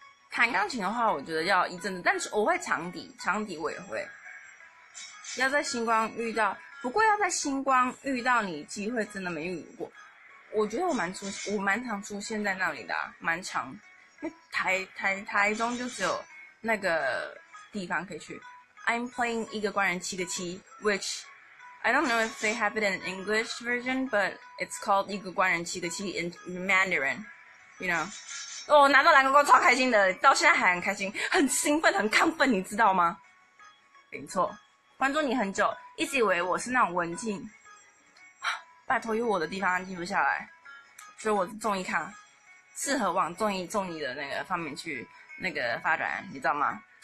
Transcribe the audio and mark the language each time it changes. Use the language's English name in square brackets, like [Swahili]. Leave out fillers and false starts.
[Chinese] 弹钢琴的话我觉得要一阵子，但是我会长笛，长笛我也会。要在星光遇到，不过要在星光遇到你机会真的没遇过。我觉得我蛮常出现在那里的啊，蛮常。因为台中就只有那个地方可以去。 [English] I'm playing 一个官人七个七 ,which, I don't know if they have it in English version, but it's called 一个官人七个七 in Mandarin, you know? [Chinese] 哦，拿到蓝勾勾超开心的，到现在还很开心，很兴奋，很亢奋，你知道吗？没错，关注你很久，一直以为我是那种文静，啊，拜托有我的地方安静不下来，所以我综艺咖，适合往综艺的那个方面去那个发展，你知道吗？